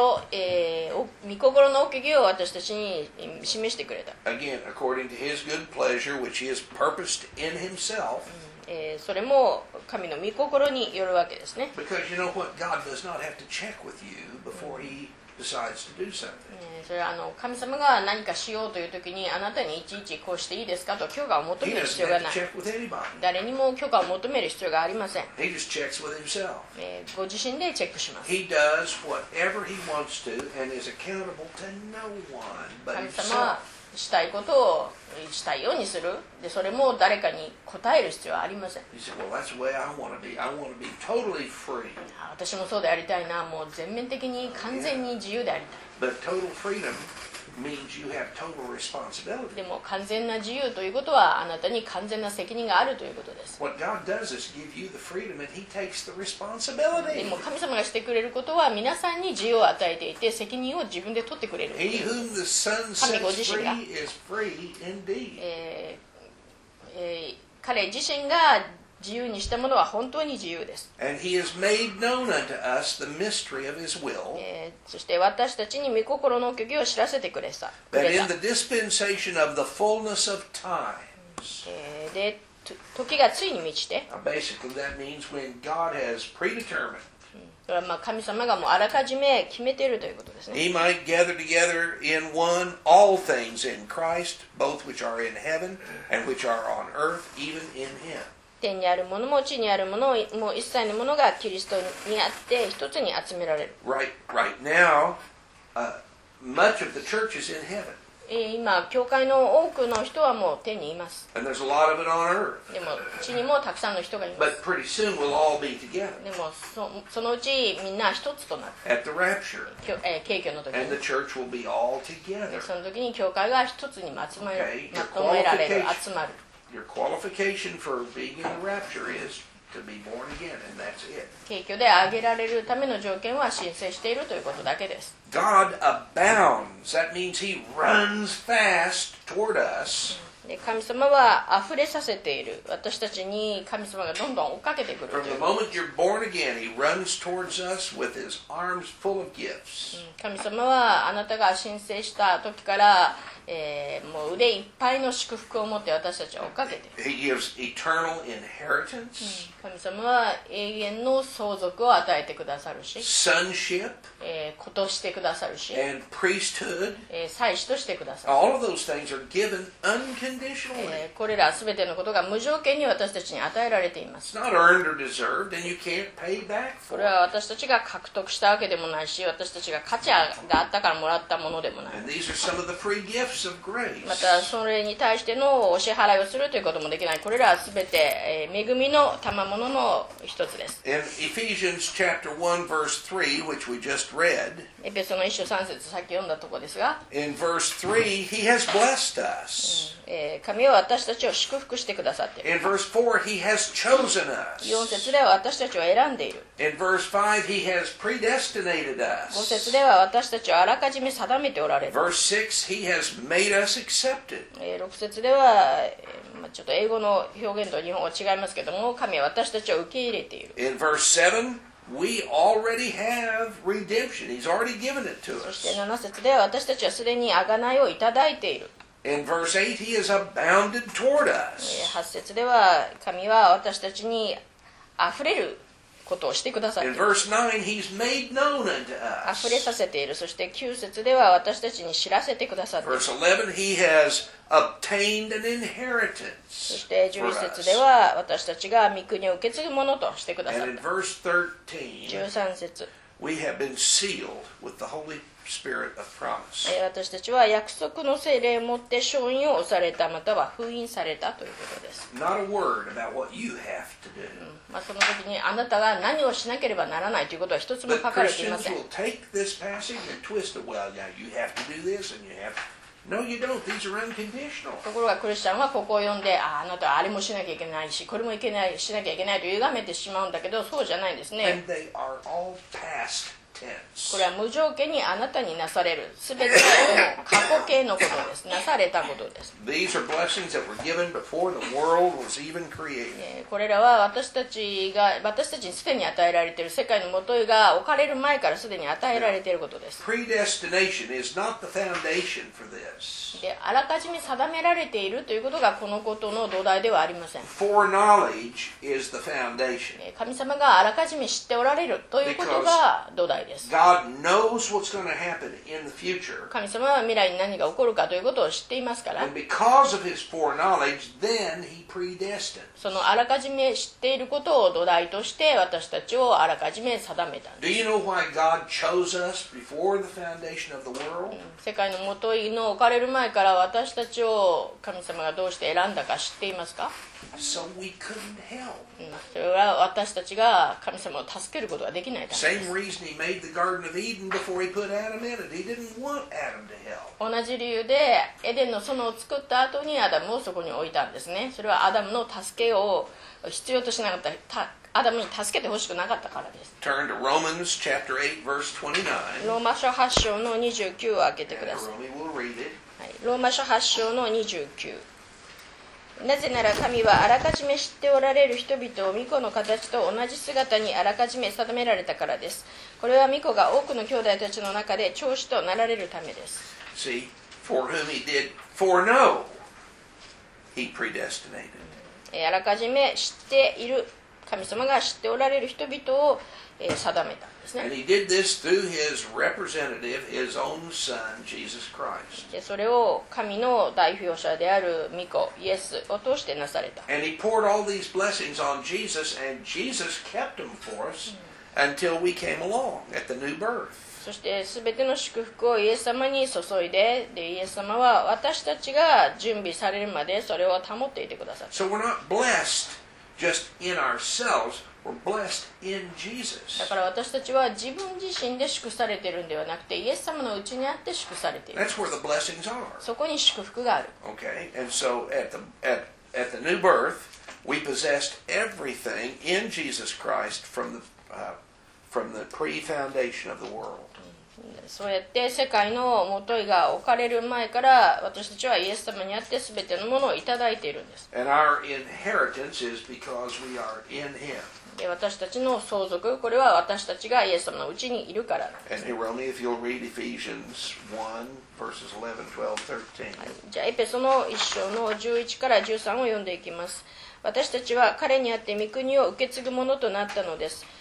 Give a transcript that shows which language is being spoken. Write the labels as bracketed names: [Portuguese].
[Japanese] 御心の奥義を私たちに示してくれた。 [English] Again, according to His good pleasure, which He has purposed in Himself. [Japanese] それも神の御心によるわけですね。 [English] Because you know what? God does not have to check with you before he decides to do something. [Japanese] それは神様が何かしようというときに、あなたにいちいちこうしていいですかと許可を求める必要がない。誰にも許可を求める必要がありません。 [English] He just checks with himself. [Japanese] ご自身でチェックします。 [English] He does whatever he wants to and is accountable to no one but himself. [Japanese] 神様はしたいことをしたいようにする。で、それも誰かに答える必要はありません。 [English] He said, well, that's the way I want to be. I want to be totally free. [Japanese] 私もそうでありたいな。もう全面的に完全に自由でありたい。 [English] But total freedom means you have total responsibility. [Japanese] でも完全な自由ということは、あなたに完全な責任があるということです。 [English] What God does is give you the freedom and he takes the responsibility. [Japanese] でも神様がしてくれることは、皆さんに自由を与えていて、責任を自分で取ってくれる。 [English] He whom the Son sets free is free indeed. [Japanese] 彼自身が自由にしたものは本当に自由です。 [English] And he has made known unto us the mystery of his will. [Japanese] そして私たちに御心の奥義を知らせてくれた。 [English] That in the dispensation of the fullness of times. [Japanese] で、時がついに満ちて。 [English] Basically, that means when God has predetermined. [Japanese] それはまあ神様がもうあらかじめ決めているということですね。 [English] He might gather together in one all things in Christ, both which are in heaven and which are on earth, even in him. [Japanese] 天にあるものも地にあるものも一切のものがキリストにあって一つに集められる。 [English] Right now, much of the church is in heaven. [Japanese] 今教会の多くの人はもう天にいます。 [English] And there's a lot of it on earth. [Japanese] でも地にもたくさんの人がいます。 [English] But pretty soon we'll all be together. [Japanese] でも そのうちみんな一つとなる。 [English] At the rapture. [Japanese] 敬虚の時に。 [English] And the church will be all together. [Japanese] その時に教会が一つにまとめられる、まとめられる、集まる。 [English] Your qualification for being in the rapture is to be born again, and that's it. [Japanese] 敬虚で挙げられるための条件は申請しているということだけです。 [English] God abounds. That means He runs fast toward us. [Japanese] で、神様は溢れさせている。私たちに神様がどんどん追っかけてくる。 [English] From the moment you're born again, He runs towards us with His arms full of gifts. [Japanese] 神様はあなたが申請した時から、もう腕いっぱいの祝福を持って私たちを追っかけて。 [English] He gives eternal inheritance. [Japanese] 神様は永遠の相続を与えてくださるし、 [English] sonship. [Japanese] 子としてくださるし、 [English] and priesthood. [Japanese] 祭司としてくださる。 [English] All of those things are given unconditionally. [Japanese] これらすべてのことが無条件に私たちに与えられています。 [English] It's not earned or deserved, and you can't pay back for it. [Japanese] これは私たちが獲得したわけでもないし、私たちが価値があったからもらったものでもない。 [English] And these are some of the free gifts. [Japanese] またそれに対してのお支払いをするということもできない。これらはすべて恵みの賜物の一つです。 [English] In Ephesians chapter 1 verse 3, which we just read, [Japanese] エペソの一章三節さっき読んだとこですが、 [English] In verse 3, He has blessed us. [Japanese] 神は私たちを祝福してくださっている。 [English] In verse 4, He has chosen us. [Japanese] 四節では私たちを選んでいる。 [English] In verse 5, He has predestinated us. [Japanese] 五節では私たちをあらかじめ定めておられる。 [English] Verse 6, He has made us accepted. [Japanese] 六節では、ちょっと英語の表現と日本語は違いますけども、神は私たちを受け入れている。 [English] In verse 7,We already have redemption. He's already given it to us. [Japanese] そして7節では私たちはすでに贖いをいただいている。 [English] In verse 8, He has abounded toward us. [Japanese] 8節では神は私たちに溢れることをしてくださっている。 [English] In verse 9, He's made known unto us. [Japanese] 溢れさせている。そして9節では私たちに知らせてくださっている。 [English] Verse 11, He has obtained an inheritance. [Japanese] そして11節では私たちが御国を受け継ぐものとしてくださった。 [English] And in verse 13, [Japanese] 13節、 [English] We have been sealed with the Holy Spirit of promise. [Japanese] 私たちは約束の聖霊をもって証印を押された、または封印されたということです。 [English] Not a word about what you have to do. [Japanese] まあ、その時にあなたが何をしなければならないということは一つも書かれていません。 [English] But Christians will take this passage and twist it. Well, now you have to do this and you have to... No, you don't. These are unconditional. [Japanese] ところがクリスチャンはここを読んで、あなたはあれもしなきゃいけないし、これもいけない、しなきゃいけないと歪めてしまうんだけど、そうじゃないんですね。 [English] And they are all past tense. [Japanese] これは無条件にあなたになされる。すべての過去形のことです。なされたことです。 [English] These are blessings that were given before the world was even created. [Japanese] これらは私たちにすでに与えられている世界のもといが置かれる前からすでに与えられていることです。 [English] Predestination is not the foundation for this. [Japanese] あらかじめ定められているということがこのことの土台ではありません。 [English] Foreknowledge is the foundation. [Japanese] 神様があらかじめ知っておられるということが土台です。 [English] God knows what's going to happen in the future. [Japanese] 神様は未来に何が起こるかということを知っていますから。 [English] And because of his foreknowledge, then he predestined. [Japanese] そのあらかじめ知っていることを土台として私たちをあらかじめ定めたんです。 [English] Do you know why God chose us before the foundation of the world? [Japanese] 世界のもといの置かれる前から私たちを神様がどうして選んだか知っていますか？ [English] So we couldn't help. [Japanese] それは私たちが神様を助けることができないためです。 [English] Same reason he made the Garden of Eden before he put Adam in it. He didn't want Adam to help. [Japanese] 同じ理由でエデンの園を作った後にアダムをそこに置いたんですね。それはアダムの助けを必要としなかった、アダムに助けてほしくなかったからです。 [English] Turn to Romans chapter 8 verse 29. [Japanese] ローマ書8章の29を開けてください。 [English] And we will read it. [Japanese] ローマ書8章の29。なぜなら神はあらかじめ知っておられる人々を御子の形と同じ姿にあらかじめ定められたからです。これは御子が多くの兄弟たちの中で長子となられるためです。 [English] See, for whom he did foreknow, he predestinated. [Japanese] あらかじめ知っている、神様が知っておられる人々を定めた。 [English] And he did this through his representative, his own son, Jesus Christ. [Japanese] それを神の代表者である御子イエスを通してなされた。 [English] And he poured all these blessings on Jesus, and Jesus kept them for us until we came along at the new birth. [Japanese] そしてすべての祝福をイエス様に注いで、でイエス様は私たちが準備されるまでそれを保っていてくださった。 [English] So we're not blessed just in ourselves. We're blessed in Jesus. [Japanese] だから私たちは自分自身で祝されているのではなくて、イエス様のうちにあって祝されている。 [English] That's where the blessings are. [Japanese] そこに祝福がある。 [English] Okay, and so at the new birth, we possessed everything in Jesus Christ from the pre-foundation of the world. [Japanese] そうやって世界のもといが置かれる前から、私たちはイエス様にあってすべてのものをいただいているんです。 [English] And our inheritance is because we are in Him. [Japanese] で私たちの相続、これは私たちがイエス様のうちにいるからなんです。 [English] And Hiromi, if you'll read Ephesians 1, verses 11, 12, 13. [Japanese] はい、じゃあエペソの1章の11から13を読んでいきます。私たちは彼にあって御国を受け継ぐものとなったのです。